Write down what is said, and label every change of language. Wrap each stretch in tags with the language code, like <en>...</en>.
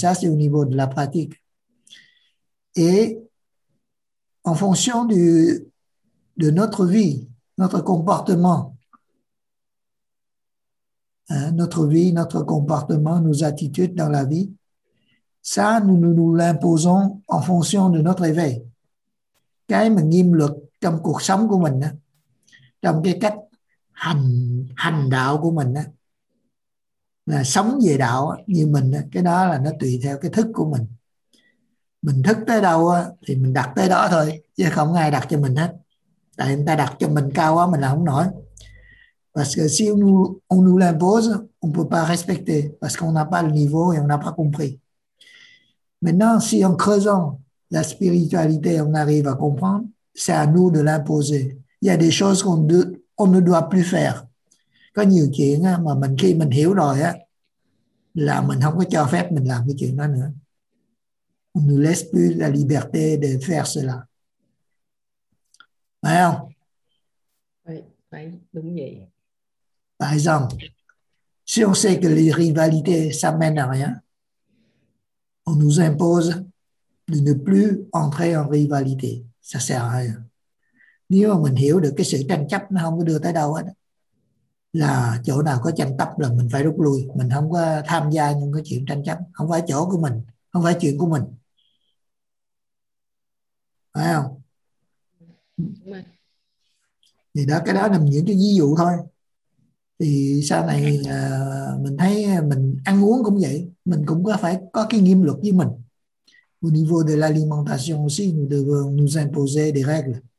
<fr>Ça, c'est au niveau de la pratique. Et en fonction de notre vie, notre comportement, hein, notre vie, notre comportement, nos attitudes dans la vie, ça, nous l'imposons en fonction de notre éveil.</fr> <vi>Cái mà nghiêm luật trong cuộc sống của mình, trong cái cách hành đạo của mình, là sống về đạo như mình, cái đó là nó tùy theo cái thức của mình. Mình thức tới đâu thì mình đặt tới đó thôi, chứ không ai đặt cho mình hết. Tại người ta đặt cho mình cao quá, mình là không nổi.</vi> <fr>Parce que si on nous l'impose, on ne peut pas respecter, parce qu'on n'a pas le niveau et on n'a pas compris. Maintenant, si en creusant la spiritualité, on arrive à comprendre, c'est à nous de l'imposer. Il y a des choses qu'on ne doit plus faire.</fr> <vi>Có nhiều chuyện mà mình khi mình hiểu rồi là mình không có cho phép mình làm cái chuyện đó nữa.</vi> <fr>On ne laisse plus la liberté de faire cela.</fr> <vi>Phải không? Phải, đúng vậy.</vi> <fr>Par exemple, si on sait que les rivalités, ça mène à rien, on nous impose de ne plus entrer en rivalité. Ça sert à rien.</fr> <vi>Nếu mà mình hiểu được cái sự tranh chấp nó không có đưa tới đâu hết, là chỗ nào có tranh chấp là mình phải rút lui, mình không có tham gia những cái chuyện tranh chấp, không phải chỗ của mình, không phải chuyện của mình. Phải không? Thì đó, cái đó là những cái ví dụ thôi. Thì sau này mình thấy mình ăn uống cũng vậy, mình cũng có phải có cái nghiêm luật với mình.</vi> <fr>Au niveau de l'alimentation aussi, nous devons nous imposer des règles.</fr>